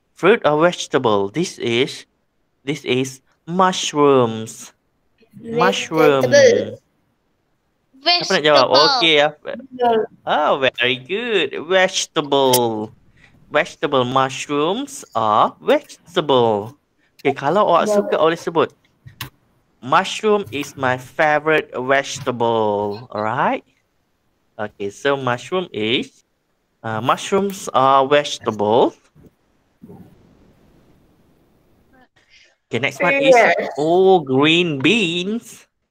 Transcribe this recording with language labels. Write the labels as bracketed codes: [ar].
[en] Fruit or vegetable? This is mushrooms. Mushroom. Vegetable. Jawab? Okay. Oh, very good. Vegetable. Vegetable mushrooms are vegetable. [ms] Okay, kalau awak suka boleh sebut. [en] Mushroom is my favorite vegetable. Alright. Okay, so mushroom is mushrooms are vegetable. Okay, next one is green beans.